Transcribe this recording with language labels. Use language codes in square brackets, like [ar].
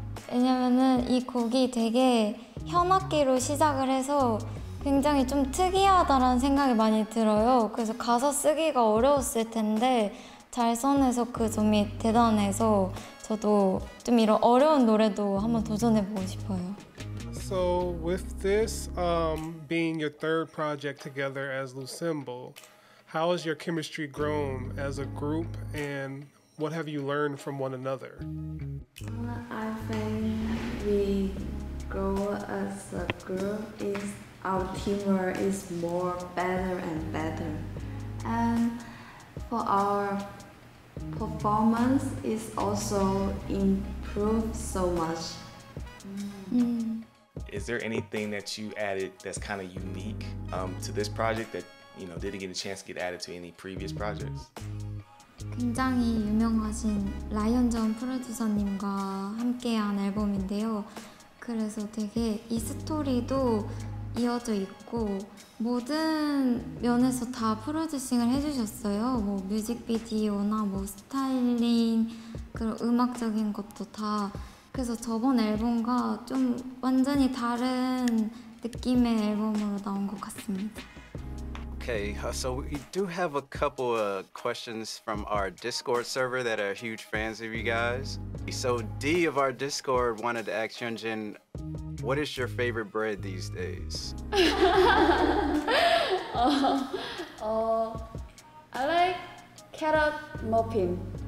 [ko] 왜냐면은 이 곡이 되게 현악기로 시작을 해서 굉장히 좀 특이하다라는 생각이 많이 들어요. 그래서 가사 쓰기가 어려웠을 텐데 잘 써내서 그 점이 대단해서 저도 좀 이런 어려운 노래도 한번 도전해보고 싶어요. [en] So with this being your third project together as Lucembo, how has your chemistry grown as a group and what have you learned from one another? I think we grow as a group is our teamwork is more better and better. And for our performance is also improved so much. Is there anything that you added that's kind of unique to this project that you know didn't get a chance to get added to any previous projects? [ko] 굉장히 유명하신 라이언 존 프로듀서님과 함께한 앨범인데요. 그래서 되게 이 스토리도 이어져 있고 모든 면에서 다 프로듀싱을 해주셨어요. 뭐 뮤직비디오나 뭐 스타일링 그런 음악적인 것도 다 그래서 저번 앨범과 좀 완전히 다른 느낌의 앨범으로 나온 것 같습니다. [en] Okay, so we do have a couple of questions from our Discord server that are huge fans of you guys. So D of our Discord wanted to ask Hyunjin, what is your favorite bread these days? I like carrot muffin.